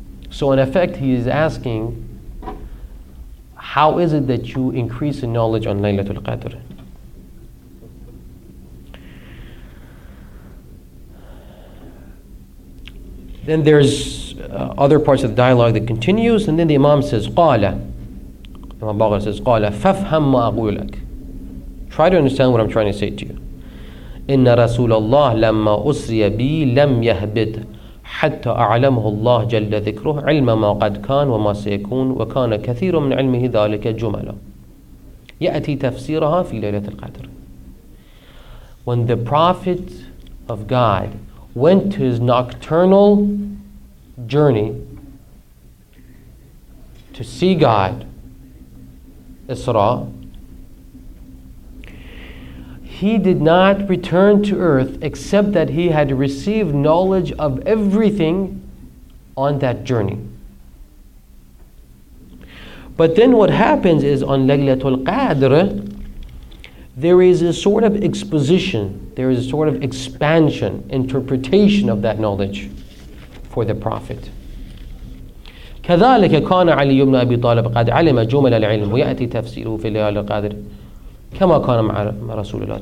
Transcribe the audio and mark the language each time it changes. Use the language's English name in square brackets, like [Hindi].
[English] So in effect, he is asking, how is it that you increase in knowledge on Laylatul Qadr? Then there's other parts of the dialogue that continues, and then the Imam says, قَالَ. Imam Baqir says, [Arabic] قَالَ فَفْهَمْ مَا أَقُولَكْ. [English] Try to understand what I'm trying to say to you. [Arabic] إِنَّ رَسُولَ اللَّهِ لَمَّا أُسْرِيَ بِي لَمْ يَهْبِدْ حَتَّى أَعْلَمُهُ اللَّهِ جَلَّ ذِكْرُهُ عِلْمَ مَا قَدْ كَانَ وَمَا سَيَكُونَ وَكَانَ كَثِيرٌ مِنْ عِلْمِهِ ذَلِكَ جُمَلًا. يأتي تفسيرها في ليلة القدر. [English] When the Prophet of God went to his nocturnal journey to see God, Isra, he did not return to earth except that he had received knowledge of everything on that journey. But then what happens is on Laylatul Qadr, there is a sort of exposition, there is a sort of expansion, interpretation of that knowledge for the Prophet. [Arabic] كذلك كان علي بن أبي طالب قد علم جمل العلم ويأتي تفسيره في ليلة القدر كما كان مع رسول الله.